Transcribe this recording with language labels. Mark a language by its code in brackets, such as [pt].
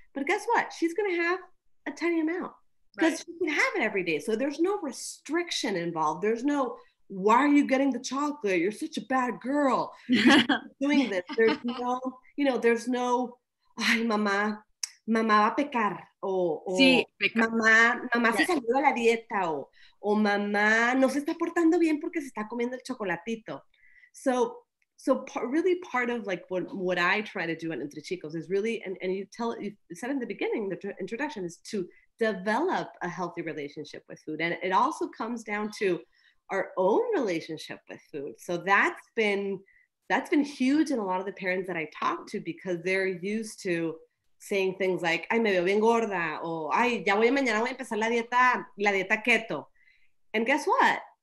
[en] But guess what? She's going to have a tiny amount. Because right. She can have it every day. So there's no restriction involved. There's no, why are you getting the chocolate? You're such a bad girl. You're doing this. There's no, you know, there's no, [es] ay, mamá va a pecar. Mamá se salió de la dieta. O mamá no se está portando bien porque se está comiendo el chocolatito. [en] So really part of like what I try to do at Entre Chicos is really, you said in the beginning, the introduction is to develop a healthy relationship with food. And it also comes down to our own relationship with food. So that's been huge in a lot of the parents that I talk to, because they're used to saying things like, [es] ay, me veo bien gorda, o ay, ya voy mañana, voy a empezar la dieta keto. [en] And guess what?